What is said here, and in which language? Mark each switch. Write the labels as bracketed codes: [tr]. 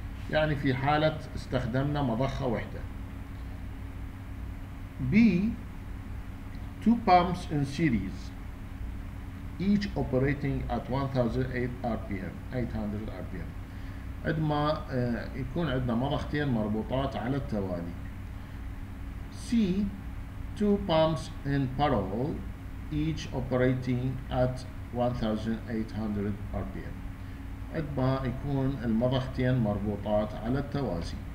[ar] يعني في حالة استخدمنا مضخة واحدة. [en] B, two pumps in series each operating at 1800 rpm. [ar] عندما يكون عندنا مضختين مربوطات على التوالي. [en] C, two pumps in parallel each operating at 1800 rpm. [ar] عندما يكون المضختين مربوطات على التوازي.